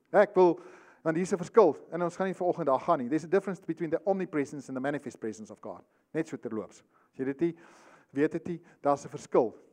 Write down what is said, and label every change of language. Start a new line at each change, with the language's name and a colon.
Afrikaans: Ek wil, want hier is 'n verskil en ons gaan nie vanoggend daar gaan nie.
English: There's a difference between the omnipresence and the manifest presence of God.
Afrikaans: Net so terloops. As jy dit nie weet dit nie, daar's 'n verskil.